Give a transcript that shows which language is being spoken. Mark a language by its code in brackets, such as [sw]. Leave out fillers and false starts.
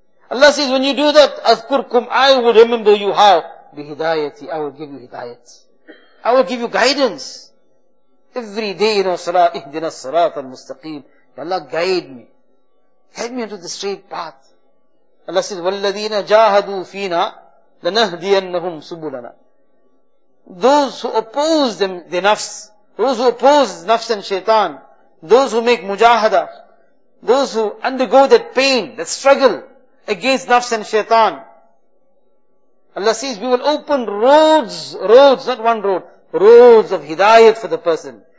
[en] Allah says, when you do that, [ar] أَذْكُرْكُمْ, [en] I will remember you how? [ar] بِهِدَايَتِ, [en] I will give you hidayat. I will give you guidance. Every day in our salah, [ar] اِهْدِنَا الصَّرَاطَ الْمُسْتَقِيمِ. [en] Allah, guide me. Guide me onto the straight path. Allah says, [ar] وَالَّذِينَ جَاهَدُوا فِينا لَنَهْدِيَنَّهُمْ سُبُلَنَا. [en] Those who oppose them, the nafs, those who oppose nafs and shaitan, those who make mujahada, those who undergo that pain, that struggle against nafs and shaitan. Allah says, we will open roads, not one road, roads of hidayat for the person.